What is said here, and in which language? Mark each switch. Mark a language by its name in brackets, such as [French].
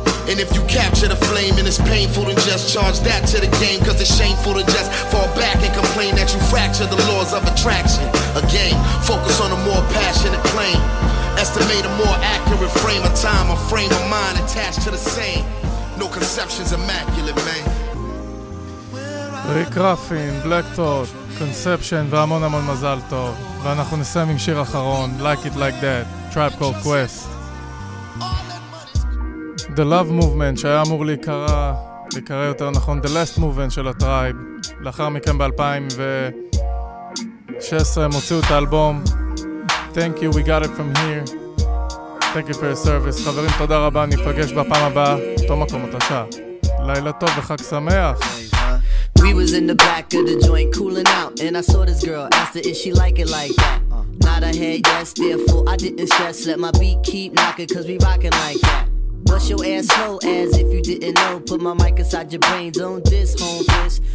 [English] And if you capture the flame and it's painful, then just charge that to the game. Cause it's shameful to just fall back and complain that you fractured the laws of attraction. Again, focus on a more passionate plane. Estimate a more accurate frame of time, a frame of mind attached to the same. No conception's immaculate, man. [Hebrew] ריק רפין, בלק טוט, קונספשן והמון המון מזל טוב. ואנחנו נסיים עם שיר אחרון, Like It Like That, Tribe Called Quest. The Love Movement, שהיה אמור להיקרא יותר נכון The Last Movement של הטרייב. לאחר מכן ב-2016 הם הוציאו את האלבום Thank You, We Got It From Here. [English] Thank you for your service. [Hebrew] חברים, תודה רבה, ניפגש בפעם הבאה, אותו מקום, אותה שעה. לילה טוב וחג שמח. [English] We was in the back of the joint cooling out, and I saw this girl, asked her if she like it like that. Not a head, yes, therefore I didn't stress, let my beat keep knocking, cause we rocking like that. Bust your ass slow as if you didn't know. Put my mic inside your brain, don't diss, homies.